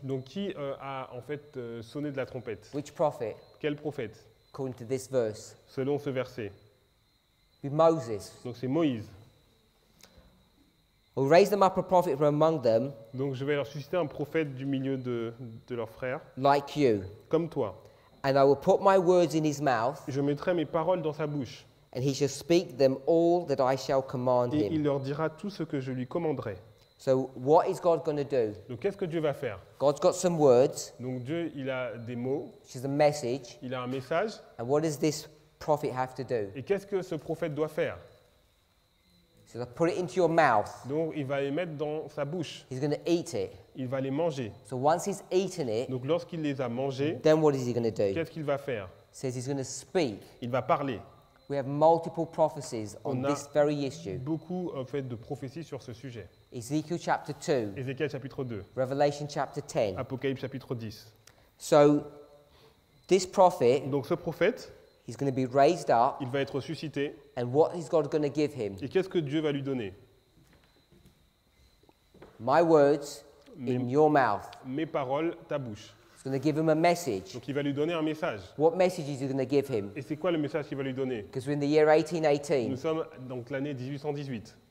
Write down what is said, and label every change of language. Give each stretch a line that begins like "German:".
French: Donc qui a en fait sonné de la trompette?
English: Which prophet?
French: Quel prophète?
English: According to this verse.
French: Selon ce verset.
English: With Moses.
French: Donc c'est Moïse.
English: I'll raise them up a prophet from among them.
French: Donc je vais leur susciter un prophète du milieu de leurs frères.
English: Like you.
French: Comme toi.
English: And I will put my words in his mouth.
French: Je mettrai mes paroles dans sa bouche.
English: And he shall speak them all that I shall command
French: et
English: him.
French: Et il leur dira tout ce que je lui commanderai.
English: So what is God going to do?
French: Donc qu'est-ce que Dieu va faire?
English: God's got some words.
French: Donc Dieu, il a des mots.
English: She's a message.
French: Il a un message.
English: And what does this prophet have to do?
French: Et qu'est-ce que ce prophète doit faire?
English: So they'll put it into your mouth.
French: Donc il va les mettre dans sa bouche.
English: He's going to eat it.
French: Il va les manger.
English: So once he's eaten it,
French: donc lorsqu'il les a mangés,
English: then what is he going to do?
French: Qu'est-ce qu'il va faire?
English: Says he's going to speak.
French: Il va parler.
English: We have multiple prophecies
French: on
English: on this very issue.
French: Beaucoup en fait de prophéties sur ce sujet.
English: Ezekiel chapter 2.
French: Ézéchiel chapitre 2.
English: Revelation chapter 10.
French: Apocalypse chapitre 10.
English: So this prophet,
French: donc ce prophète,
English: he's going to be raised up.
French: Il va être suscité.
English: And what is God going to give him?
French: Et qu'est-ce que Dieu va lui donner?
English: My words in your mouth.
French: Mes paroles, ta bouche.
English: He's going to give him a message.
French: Donc il va lui donner un message.
English: What message is he going to give him?
French: Et c'est quoi le message qu'il va lui donner?
English: Because we're in the year 1818.
French: Nous sommes donc l'année 1818.